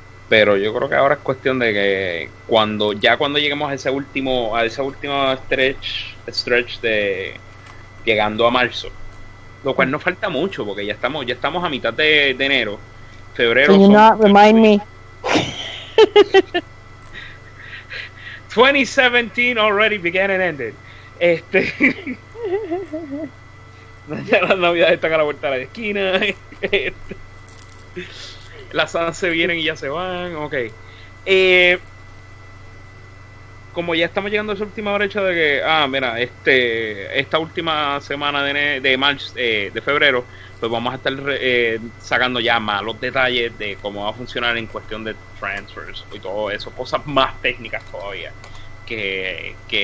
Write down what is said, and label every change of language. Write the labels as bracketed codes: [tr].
[es] Pero yo creo que ahora es cuestión de que cuando lleguemos a ese último stretch de llegando a marzo, lo cual no falta mucho porque ya estamos a mitad de enero, febrero. [en] Can you not remind me? 2017 already began and ended. [es] Ya las navidades están a la vuelta de la esquina. Las sanas se vienen y ya se van. Ok. Como ya estamos llegando a esa última brecha de que, esta última semana de febrero, pues vamos a estar sacando ya más los detalles de cómo va a funcionar en cuestión de transfers y todo eso, cosas más técnicas todavía que